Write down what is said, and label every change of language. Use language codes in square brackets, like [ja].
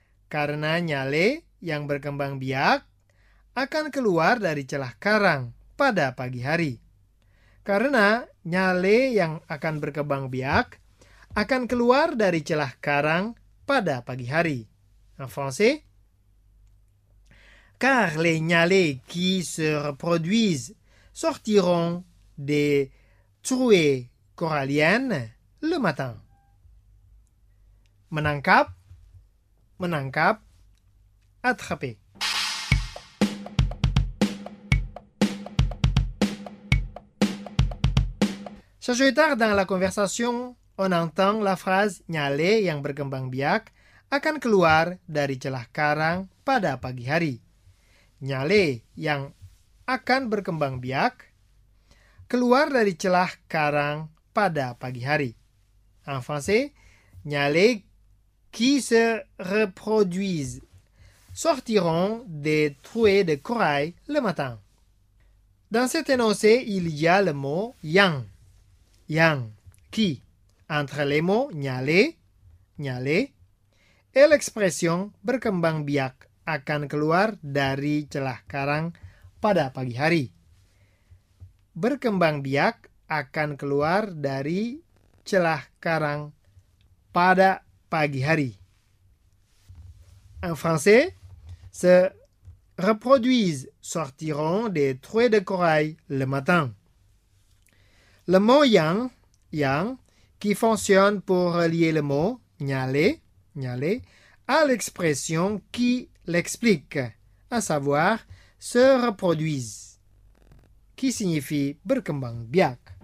[id] Karena nyale yang berkembang biak akan keluar dari celah karang pada pagi hari. Karena nyale yang akan berkembang biak akan keluar dari celah karang pada pagi hari. [fr] En français. Car les nyales qui se reproduisent sortiront des trouées coralienne le matin. [id] Menangkap, menangkap, [fr] attraper. Chers auditeurs, dans la conversation, on entend la phrase [id] nyale yang berkembang biak akan keluar dari celah karang pada pagi hari. Nyale yang akan berkembang biak keluar dari celah karang pada pagi hari. [fr] En français, nyale qui se reproduisent sortiront des trouées de corail le matin. Dans cet énoncé, il y a le mot yang. [id] Yang, [fr] qui. Entre les mots nyale, nyale, et l'expression [id] berkembang biak akan keluar dari celah karang pada pagi hari. Berkembang biak akan keluar dari celah karang pada pagi hari. [fr] En français, se reproduisent sortiront des trouées de corail le matin. Le mot yang, yang, qui fonctionne pour relier le mot nyale, nyale, à l'expression qui l'explique, à savoir se reproduisent, qui signifie [id] berkembang biak.